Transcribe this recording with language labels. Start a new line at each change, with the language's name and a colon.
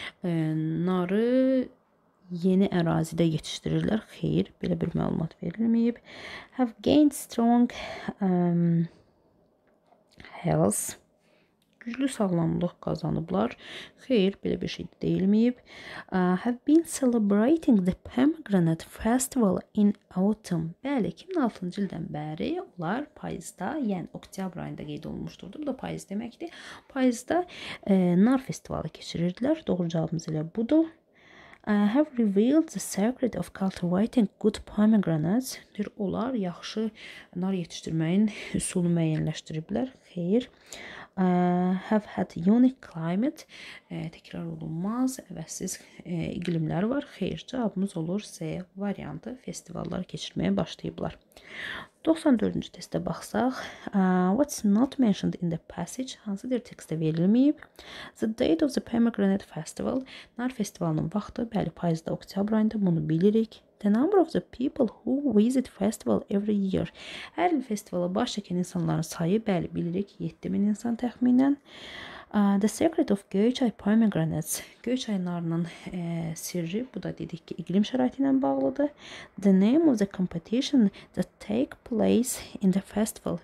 Azerbaijani: Narı yeni ərazidə yetişdirirlər. Xeyr, belə bir məlumat verilməyib.
English: Have gained strong health,
Azerbaijani: güclü sağlamlıq qazanıblar. Xeyr, belə bir şey deyilməyib.
English: Have been celebrating the pomegranate festival in autumn.
Azerbaijani: Bəli, 2006-cı ildən bəri onlar payızda, yəni oktyabr ayında qeyd olunmuşdur. Bu da payız deməkdir. Payızda nar festivalı keçirirdilər. Doğru cavabımız elə budur.
English: I have revealed the secret of cultivating good pomegranates.
Azerbaijani: Dür, onlar yaxşı nar yetişdirməyin üsulunu müəyyənləşdiriblər. Xeyr.
English: Have had unique climate.
Azerbaijani: Təkrar olunmaz, əvəzsiz iqlimlər var. Xeyr, cavabımız olur C variantı. Festivallar keçirməyə başlayıblar. 94-cü testə baxsaq,
English: what's not mentioned in the passage,
Azerbaijani: hansıdır tekstdə verilməyib.
English: The date of the pomegranate festival,
Azerbaijani: nar festivalının vaxtı, bəli, payızda, oktyabr ayında, bunu bilirik.
English: The number of the people who visit festival every year,
Azerbaijani: hər il festivala baş çəkən insanların sayı, bəli, bilirik, 7000 insan təxminən.
English: The secret of Göyçay pomegranates.
Azerbaijani: Göyçay narının sirri, bu da dedik ki, iqlim şəraiti ilə bağlıdır.
English: The name of the competition that take place in the festival.